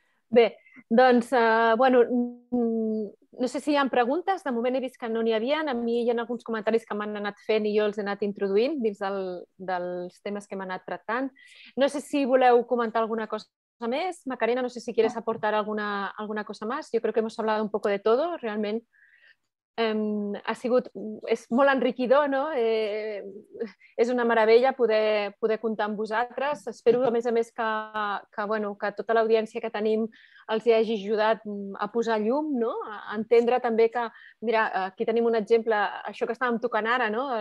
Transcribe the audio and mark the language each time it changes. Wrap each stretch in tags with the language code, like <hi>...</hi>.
<ca>Bé, doncs, bueno, no sé si hi ha preguntes, de moment he vist que no n'hi havia, a mi hi ha alguns comentaris que m'han anat fent i jo els he anat introduint dins dels temes que m'han anat tractant. No sé si voleu comentar alguna cosa més.</ca> <es>Macarena, no sé si quieres aportar alguna cosa más. Yo creo que hemos hablado un poco de todo, realment</es> <ca>ha sigut, és molt enriquidor, no? És una meravella poder comptar amb vosaltres. Espero, a més, que tota l'audiència que tenim els hi hagi ajudat a posar llum, no? A entendre també que, mira, aquí tenim un exemple, això que estàvem tocant ara, no?</ca>